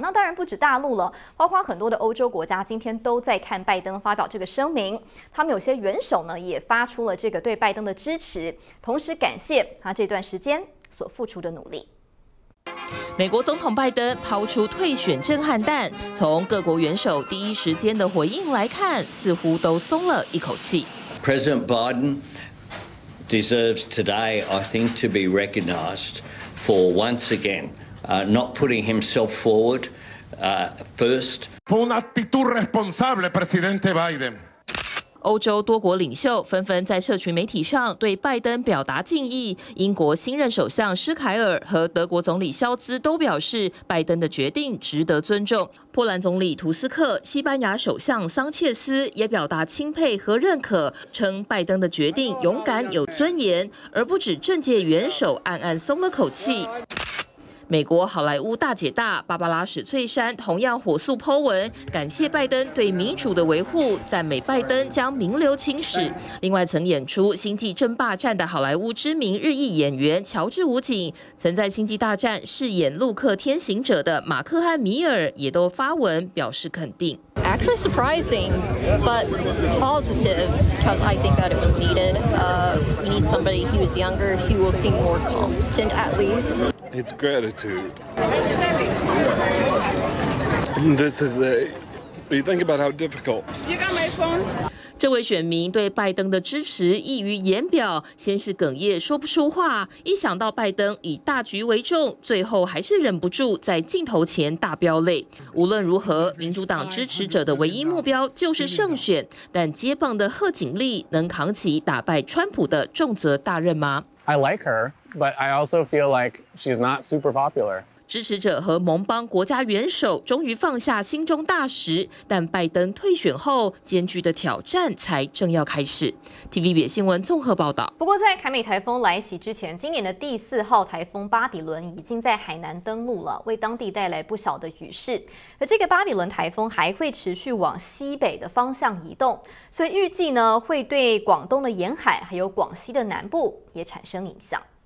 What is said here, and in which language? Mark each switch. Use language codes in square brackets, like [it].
[zh] 那当然不止大陆了，包括很多的欧洲国家今天都在看拜登发表这个声明，他们有些元首呢也发出了这个对拜登的支持，同时感谢他这段时间所付出的努力。美国总统拜登抛出退选震撼弹，从各国元首第一时间的回应来看，似乎都松了一口气。 [en] President Biden deserves today, I think, to be recognized for once again, not putting himself forward, first. [zh] 是 [es] una actitud responsable, Presidente Biden. [zh] 欧洲多国领袖纷纷在社群媒体上对拜登表达敬意，英国新任首相施凯尔和德国总理肖兹都表示拜登的决定值得尊重，波兰总理图斯克、西班牙首相桑切斯也表达钦佩和认可，称拜登的决定勇敢有尊严，而不止政界元首暗暗松了口气。美国好莱坞大姐大芭芭拉史翠珊同样火速po文，感谢拜登对民主的维护，赞美拜登将名留青史。另外，曾演出《星际争霸战》的好莱坞知名日裔演员乔治·武警，曾在《星际大战》饰演陆克天行者的马克·汉米尔也都发文表示肯定。 [en] Actually surprising, but positive because I think that it was needed. We need somebody who is younger, who will seem more competent at least. It's gratitude. This is a. You think about how difficult. You got my phone? [zh] 这位选民对拜登的支持溢于言表，先是哽咽说不出话，一想到拜登以大局为重，最后还是忍不住在镜头前大飙泪。无论如何，民主党支持者的唯一目标就是胜选，但接棒的贺锦丽能扛起打败川普的重责大任吗？ [en] I like her, but I also feel like she's not super popular. [zh] 支持者和盟邦国家元首终于放下心中大石，但拜登退选后艰巨的挑战才正要开始。 TVB 新闻综合报道。不过在凯美台风来袭之前，今年的第四号台风巴比伦已经在海南登陆了，为当地带来不小的雨势，而这个巴比伦台风还会持续往西北的方向移动，所以预计呢会对广东的沿海还有广西的南部也产生影响。